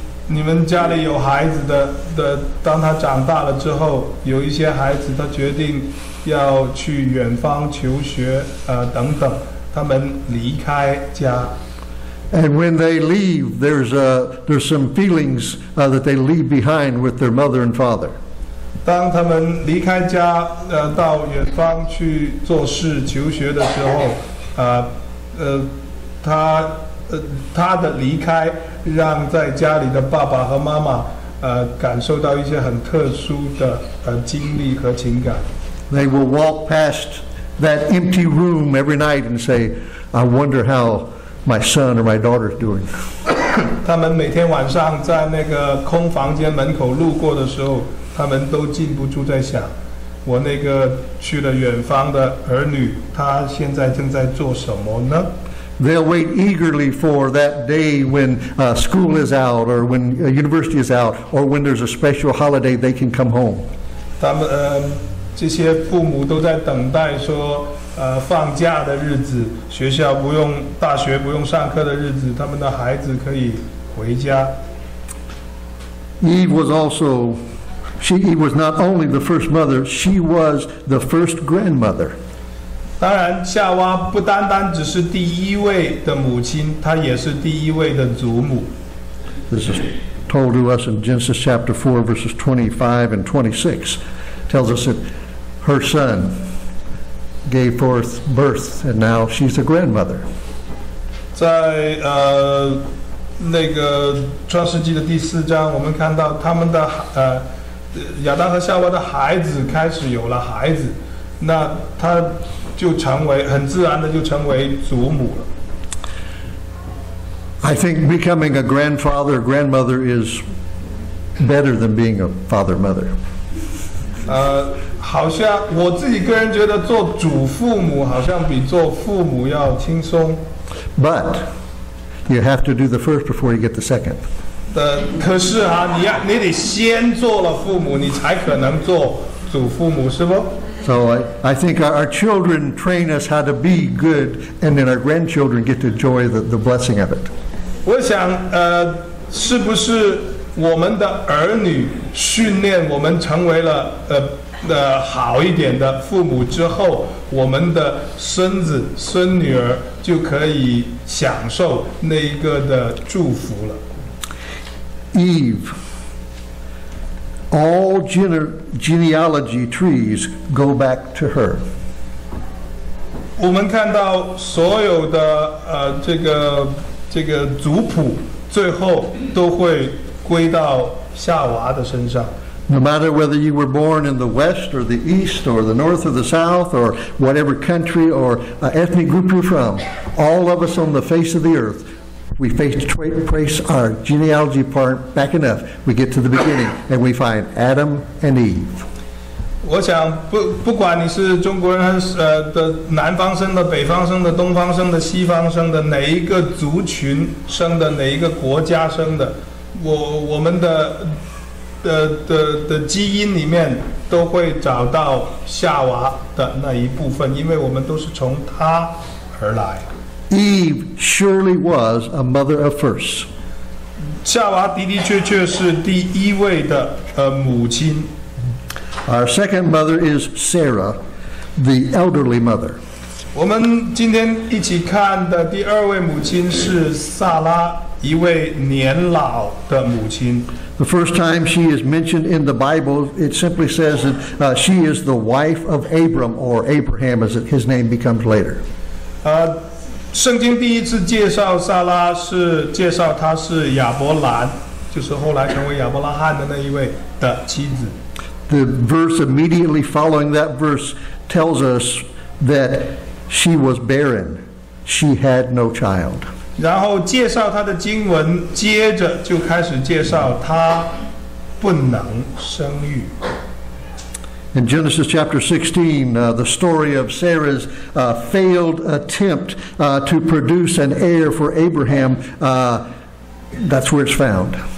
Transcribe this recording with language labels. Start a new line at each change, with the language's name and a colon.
Chinese: 你们家里有孩子的，当他长大了之后，有一些孩子他决定要去远方求学，等等，他们离开家。
English: And when they leave, there's some feelings that they leave behind with their mother and father.
Chinese: 当他们离开家，到远方去做事、求学的时候，他的离开让在家里的爸爸和妈妈，感受到一些很特殊的经历和情感。
English: They will walk past that empty room every night and say, "I wonder how my son or my daughter is doing."
Chinese: 他们每天晚上在那个空房间门口路过的时候，他们都禁不住在想，我那个去了远方的儿女，他现在正在做什么呢？
English: They'll wait eagerly for that day when school is out, or when university is out, or when there's a special holiday they can come home.
Chinese: 他们这些父母都在等待说，放假的日子，学校不用，大学不用上课的日子，他们的孩子可以回家。
English: Eve was also. She was not only the first mother, she was the first grandmother.
Chinese: 当然，夏娃不单单只是第一位的母亲，她也是第一位的祖母。
English: This is told to us in Genesis chapter 4, verses 25 and 26. Tells us that her son gave forth birth, and now she's a grandmother.
Chinese: 在那个创世纪的第四章，我们看到他们的亚当和夏娃的孩子开始有了孩子，那他就成为很自然的就成为祖母了。
English: I think becoming a grandfather, grandmother is better than being a father or mother.
Chinese: 好像我自己个人觉得做祖父母好像比做父母要轻松。
English: But you have to do the first before you get the second.
Chinese: 可是啊，你得先做了父母，你才可能做祖父母，是不？
English: So I think our children train us how to be good, and then our grandchildren get to enjoy the blessing of it.
Chinese: 我想，是不是我们的儿女训练我们成为了好一点的父母之后，我们的孙子孙女儿就可以享受那一个的祝福了。
English: Eve, all genealogy trees go back to her.
Chinese: 我们看到所有的这个族谱，最后都会归到夏娃的身上。
English: No matter whether you were born in the west or the east or the north or the south or whatever country or ethnic group you're from, all of us on the face of the earth, we trace our genealogy part back enough. We get to the beginning and we find Adam and Eve.
Chinese: 我想不管你是中国人还是的南方生的、北方生的、东方生的、西方生的、哪一个族群生的、哪一个国家生的，我们的。的基因里面都会找到夏娃的那一部分，因为我们都是从她而来。
English: Eve surely was a mother of first.
Chinese: 夏娃的的确确是第一位的母亲。
English: Our second mother is Sarah, the elderly mother.
Chinese: 我们今天一起看的第二位母亲是萨拉，一位年老的母亲。
English: The first time she is mentioned in the Bible, it simply says that she is the wife of Abram, or Abraham as his name becomes later.
Chinese: 圣经第一次介绍萨拉是介绍她是亚伯兰，就是后来成为亚伯拉罕的那一位的妻子。
English: The verse immediately following that verse tells us that she was barren. She had no child.
Chinese: 然后介绍他的经文，接着就开始介绍他不能生育。
English: In Genesis chapter 16, the story of Sarah's failed attempt to produce an heir for Abraham, that's where it's found.